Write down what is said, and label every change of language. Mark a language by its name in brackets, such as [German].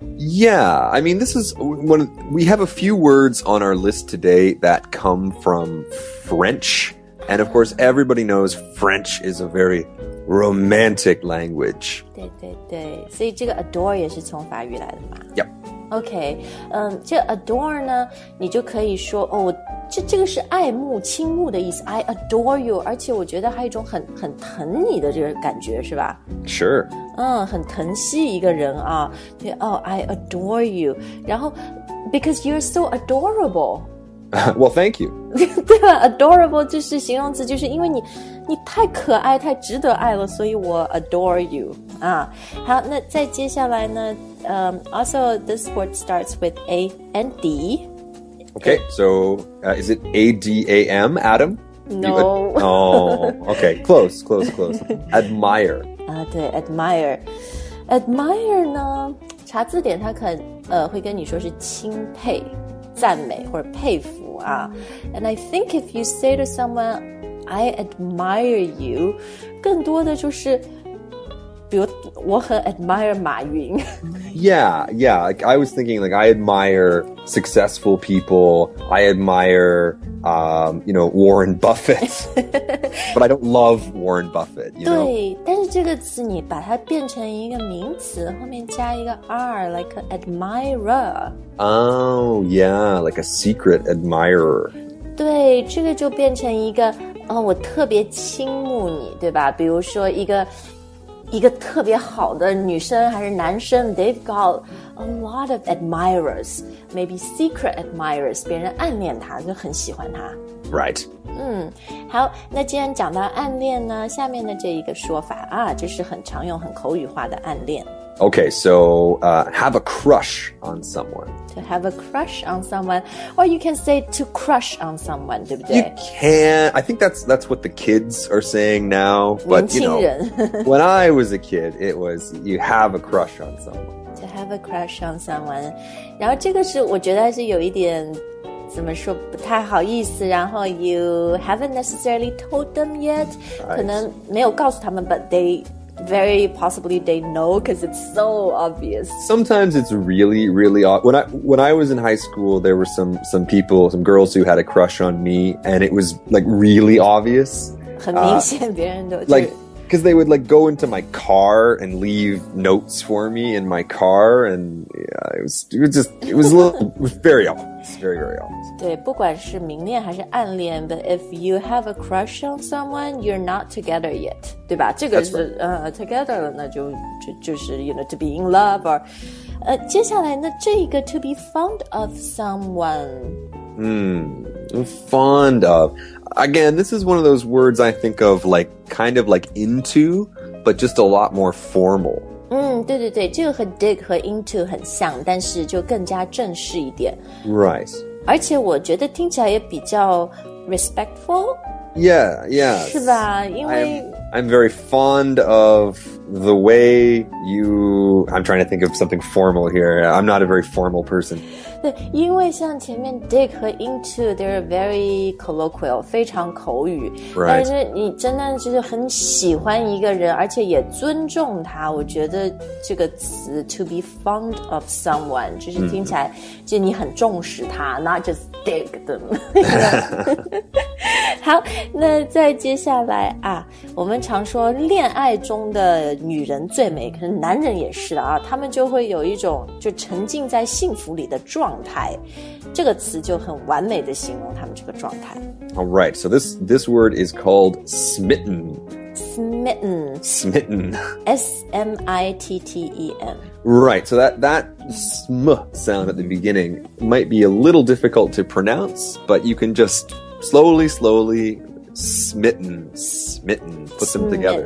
[English] Yeah, I mean, this is one of, we have a few words on our list today that come from French. And of course, everybody knows French is a very romantic language. [Chinese] 对对对，所以这个 adore 也是从法语来的嘛。 [English] Yep. [Chinese] Okay, 这 adore 呢你就可以说哦这个是爱慕倾慕的意思 I adore you, 而且我觉得还有一种很疼你的这个感觉是吧 [English] Sure. [Chinese] 很疼惜一个人啊对哦 I adore you, 然后 because you're so adorable. [English] Well, thank you. [Chinese] 对吧 adorable 就是形容词就是因为你太可爱太值得爱了所以我 adore you. [English] 啊好那再接下来呢 also, this word starts with A and D. Okay, so is it A-D-A-M, Adam? No. Okay, close. Admire. [Chinese] 对 ,admire. Admire 呢,查字典它可能会跟你说是钦佩,赞美或者佩服啊。 [English] And I think if you say to someone, I admire you, 更多的就是比如我很 admire 马云 yeah like I was thinking like I admire successful people I admire you know Warren Buffett but I don't love Warren Buffett you [Chinese] 对 [English] know? [Chinese] 但是这个词你把它变成一个名词后面加一个 R like an admirer [English] oh yeah like a secret admirer [Chinese] 对这个就变成一个哦，我特别倾慕你，对吧？比如说一个特别好的女生还是男生 ， they've got a lot of admirers, maybe secret admirers, 别人暗恋他，就很喜欢他。 [English] Right. [Chinese] 嗯，好，那既然讲到暗恋呢，下面的这一个说法啊，这是很常用、很口语化的暗恋。 [English] Okay, so, have a crush on someone. To have a crush on someone. Or you can say to crush on someone, 对不对? You can. I think that's what the kids are saying now. But, you know, when I was a kid, it was, you have a crush on someone. To have a crush on someone. [Chinese] 然后这个是我觉得还是有一点怎么说不太好意思，然后 you haven't necessarily told them yet. [English] Right. [Chinese] 可能没有告诉他们 but they... [English] Very possibly they know because it's so obvious. Sometimes it's really, really odd. When I was in high school, there were some people, some girls who had a crush on me, and it was like really obvious. [Chinese] 很明显别人都就 [English] like, because they would like go into my car and leave notes for me in my car, and yeah, it was a little, it was very obvious, very, very obvious. 对，不管是明恋还是暗恋 but if you have a crush on someone, you're not together yet. [Chinese] 对吧？这个是、 [English] right. together 了，那就是 you know to be in love or 接下来那这一个 to be fond of someone. Fond of. Again, this is one of those words I think of like, kind of like into, but just a lot more formal. [Chinese] 对对对，这个和 dig 和 into 很像，但是就更加正式一点。 [English] Right. [Chinese] 而且我觉得听起来也比较 respectful. [English] Yeah, yeah. [Chinese] 是吧？因为 [English] I'm very fond of the way you... I'm trying to think of something formal here. I'm not a very formal person. [Chinese] 对，因为像前面 dig 和 into, they're very colloquial, 非常口语。 [English] Right. [Chinese] 但是你真的就是很喜欢一个人，而且也尊重他。我觉得这个词 to be fond of someone, 就是听起来、mm-hmm. 就你很重视他 , not just dig them. 好，那再接下来啊，我们常说恋爱中的女人最美，可能男人也是的啊，他们就会有一种就沉浸在幸福里的状态，这个词就很完美的形容他们这个状态。 [English] All right, so this word is called smitten. Smitten. Smitten. S-M-I-T-T-E-N. Right, so that sm sound at the beginning might be a little difficult to pronounce, but you can just slowly smitten, put them together.